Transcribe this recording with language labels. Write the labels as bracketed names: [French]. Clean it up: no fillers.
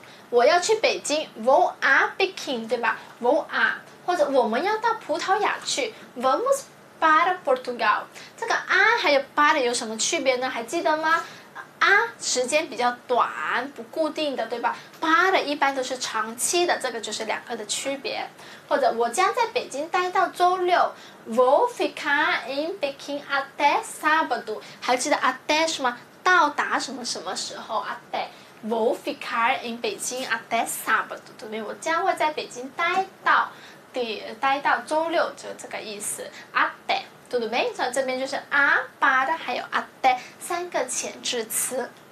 [Chinese] 我要去北京 [Portuguese] vou a Beijing， [Chinese] 对吧？vou a， 或者我们要到葡萄牙去 [Portuguese] vamos para Portugal。 [Chinese] 这个 a 还有 para 有什么区别呢？还记得吗？啊，时间比较短，不固定的，对吧？八的一般都是长期的，这个就是两个的区别。或者我将在北京待到周六 ， [Portuguese] vou ficar em Beijing até sábado。 [Chinese] 还记得 até 是吗？到达什么什么时候 ？ [Portuguese] até vou ficar em Beijing até sábado， [Chinese] 对不对？我将会在北京待到周六，就这个意思。 [Portuguese] até。 [Chinese] 读的没错，这边就是 a para 还有 até 三个前置词。